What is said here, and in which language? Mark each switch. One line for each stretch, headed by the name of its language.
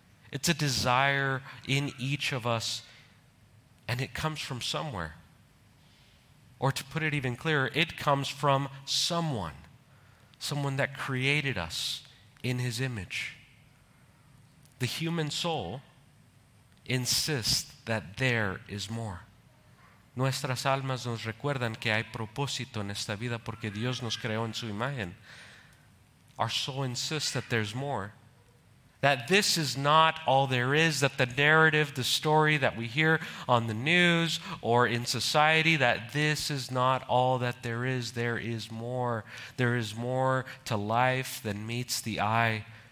English: It's a desire in each of us, and it comes from somewhere. Or to put it even clearer, it comes from someone that created us in His image. The human soul insists that there is more.
Spanish: Nuestras almas nos recuerdan que hay propósito en esta vida porque Dios nos creó en su imagen.
English: Our soul insists that there's more. That this is not all there is, that the narrative, the story that we hear on the news or in society, that this is not all that there is. There is more. There is more to life than meets the eye.